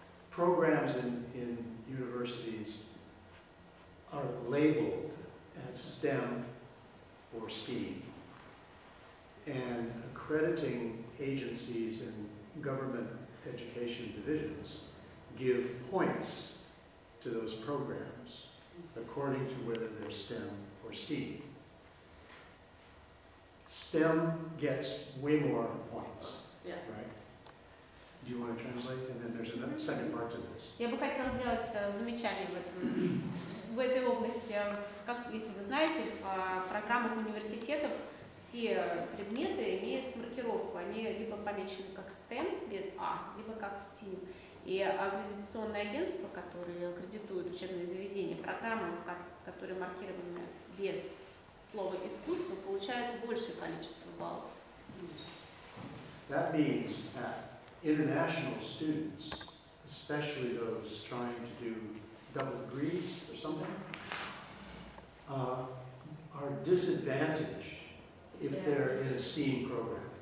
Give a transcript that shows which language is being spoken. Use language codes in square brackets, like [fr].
[en] Programs in universities are labeled as STEM or STEAM, and accrediting agencies and government education divisions give points to those programs according to whether they're STEM or STEAM. STEM gets way more points, yeah. Right? Do you want to translate? And then there's another second part to this. [ru] Я бы хотела сделать замечание в этой области. Как, если вы знаете, в программах университетов все предметы имеют маркировку. Они либо помечены как STEM без А, либо как STEAM. И аккредитационные агентства, которые аккредитуют учебные заведения, программы, которые маркированы без слова искусство, получают большее количество баллов. [en] That means that international students, especially those trying to do double degrees or something, are disadvantaged if they're in a STEAM program.